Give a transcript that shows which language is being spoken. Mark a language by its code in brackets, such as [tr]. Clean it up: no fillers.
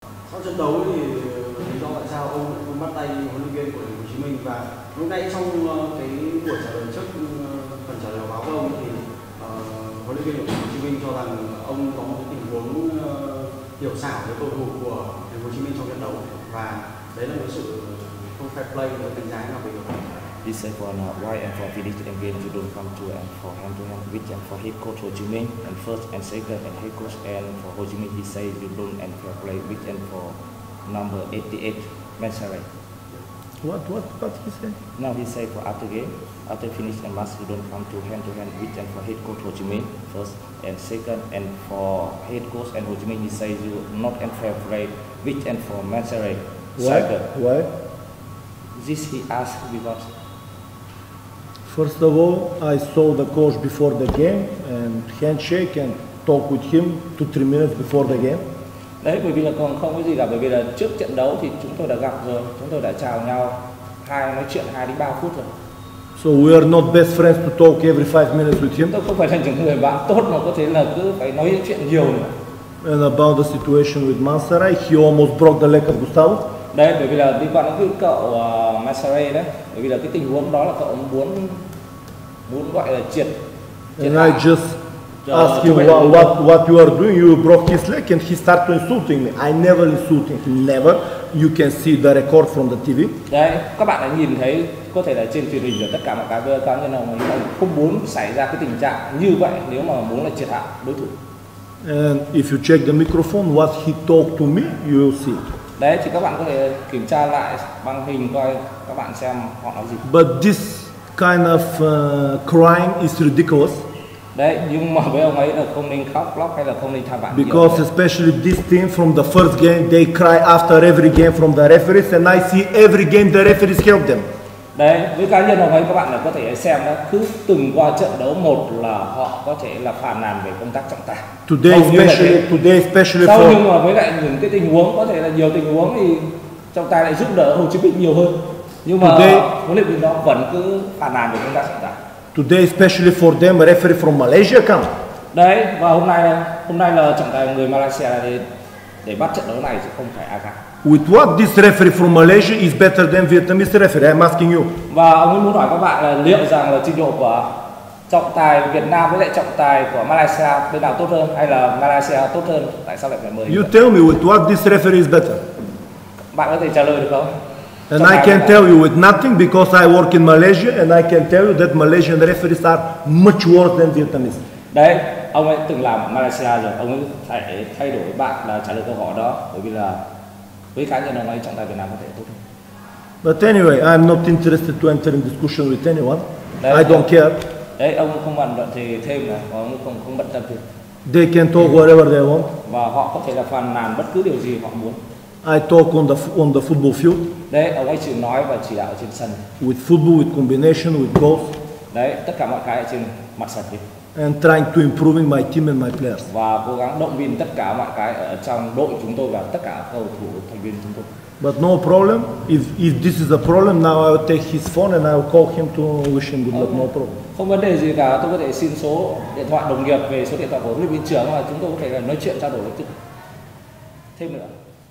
[vi] Sau trận đấu thì lý do tại sao ông muốn bắt tay huấn luyện viên của Hồ Chí Minh, và hôm nay trong cái buổi trả lời trước phần trả lời báo của ông thì huấn luyện viên của Hồ Chí Minh cho rằng ông có một tình huống hiểu xảo với cầu thủ của Hồ Chí Minh trong trận đấu, và đấy là một sự không fair play và đánh giá nào về điều này. [en] He said for now, why and for finish the game you don't come to and for him to have with and for head coach Ho Chi Minh and first and second and head coach and for Ho Chi Minh he say you don't and for play with and for number 88 Mansaray. What he say? Now he say for after game, after finish and match you don't come to hand to hand with and for head coach Ho Chi Minh first and second and for head coach and Ho Chi Minh he say you not and for play with and for Mansaray. Why? This he asked because first of all, I saw the coach before the game and handshake and talk with him 2-3 minutes before the game. [vi] Đấy, bởi vì là còn không có gì cả, bởi vì là trước trận đấu thì chúng tôi đã gặp rồi, chúng tôi đã chào nhau hai nói chuyện 2 đến 3 phút rồi. [en] So we are not best friends to talk every 5 minutes with him. [vi] Tôi không phải là những người bạn tốt mà có thể là cứ phải nói chuyện nhiều nữa. [en] And about the situation with Mansaray, he almost broke the leg of Gustavo. [vi] Đấy, bởi vì là liên quan đến cái cậu Mansaray đấy, bởi vì là cái tình huống đó là cậu muốn gọi là triệt. [en] And I just ask him what you are doing, you broke his leg and he start to insulting me. I never insulting him, never. You can see the record from the TV. [vi] Đấy, các bạn đã nhìn thấy có thể là trên truyền hình rồi, tất cả mọi cái video cá nhân nào mà không muốn xảy ra cái tình trạng như vậy nếu mà muốn là triệt hạ đối thủ. [en] And if you check the microphone what he talked to me, you will see. [vi] Đấy thì các bạn có thể kiểm tra lại băng hình coi các bạn xem họ nói gì. [en] But this kind of crying is ridiculous. [vi] Đấy, nhưng mà với ông ấy là không nên khóc lóc hay là không nên than vãn. [en] Because especially this team from the first game they cry after every game from the referees and I see every game the referees help them. [vi] Đấy, với cá nhân ông ấy các bạn là có thể xem đó, cứ từng qua trận đấu một là họ có thể là phàn nàn về công tác trọng tài. [en] Today especially [vi] sau nhưng mà với lại những cái tình huống có thể là nhiều tình huống thì trọng tài lại giúp đỡ Hồ Chí Minh nhiều hơn. Nhưng mà huấn luyện viên đó vẫn cứ phàn nàn về công tác trọng tài. [en] Today especially for them referee from Malaysia come. [vi] Đấy, và hôm nay là trọng tài người Malaysia đến để bắt trận đấu này chứ không phải ai cả. [en] With what this referee from Malaysia is better than Vietnamese referee, I'm asking you. [vi] Và ông ấy muốn hỏi các bạn là liệu rằng là trình độ của trọng tài Việt Nam với lại trọng tài của Malaysia bên nào tốt hơn hay là Malaysia tốt hơn, tại sao lại phải mời? [en] You tell me with what this referee is better. [vi] Bạn có thể trả lời được không? [en] And I can tell you with nothing because I work in Malaysia and I can tell you that Malaysian referees are much worse than Vietnamese. [vi] Đấy, ông ấy từng làm ở Malaysia rồi, ông ấy phải thay đổi bạn là trả lời câu hỏi đó, bởi vì là với cá nhân ông ấy trọng tài Việt Nam có thể tốt hơn. [en] But anyway, I'm not interested to enter in discussion with anyone. Đấy, I don't care. [vi] Đấy, ông không bàn luận thì thêm nữa, ông không bận tâm gì. [en] They can talk whatever they want. [vi] Và họ có thể là phàn nàn bất cứ điều gì họ muốn. [en] I talk on the football field. [vi] Đấy, ông ấy chỉ nói và chỉ đạo trên sân. [en] With football, with combination, with goals. [vi] Đấy, tất cả mọi cái trên mặt sân. [en] And trying to improve my team and my players. [vi] Và cố gắng động viên tất cả mọi cái ở trong đội chúng tôi và tất cả cầu thủ thành viên chúng tôi. [en] But no problem. If this is a problem, now I will take his phone and I will call him to wish him good luck. No problem. [vi] Không vấn đề gì cả. Tôi có thể xin số điện thoại đồng nghiệp về số điện thoại của huấn luyện viên trưởng và chúng tôi có thể là nói chuyện trao đổi trực thêm nữa.